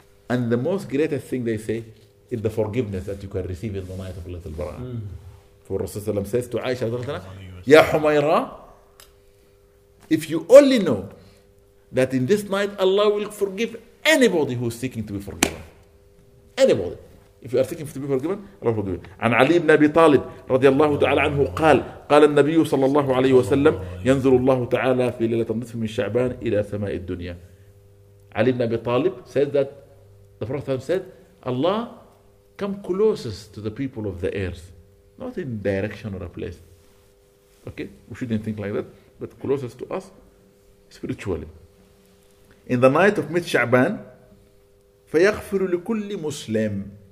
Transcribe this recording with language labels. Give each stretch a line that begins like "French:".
English: And the most greatest thing they say is the forgiveness that you can receive in the night of Laylatul Bara'ah. For Rasulullah says to Aisha, Ya Humaira, If you only know that in this night Allah will forgive anybody who is seeking to be forgiven. Anybody. If you are seeking to be forgiven, Allah will forgive you.
Arabic: عن علي بن أبي طالب رضي الله تعالى عنه قال قال النبي صلى الله عليه وسلم ينظر الله تعالى في ليلة النصف من شعبان إلى سماء الدنيا.
English: علي بن أبي طالب said that the Prophet said Allah come closest to the people of the earth. Not in direction or a place. Okay? We shouldn't think like that. But closest to us spiritually. In the night of mid-Sha'ban,
Arabic: فَيَغْفِرُ لِكُلِّ مُسْلِمٍ.